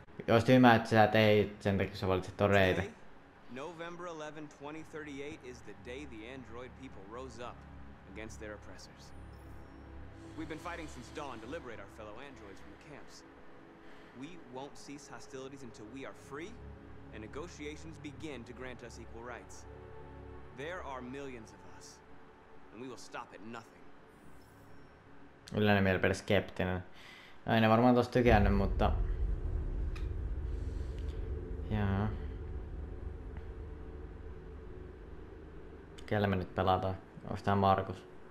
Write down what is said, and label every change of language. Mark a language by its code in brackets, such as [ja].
[fi] Olisit hymää, että sä teit sen takia, kun sä valitset ton reitin. [en] November 11, 2038 is the day the android people rose up against their oppressors. We've been fighting since dawn to liberate our fellow androids from the camps. We won't cease hostilities until we are free and negotiations begin to grant us equal rights. There are millions of us, and we will stop at nothing. [fi] Yleinen mielipide skeptinen. No, en varmaan tosta tykännyt, mutta... Jaa. Kelle me nyt pelataan? Onks tää Markus?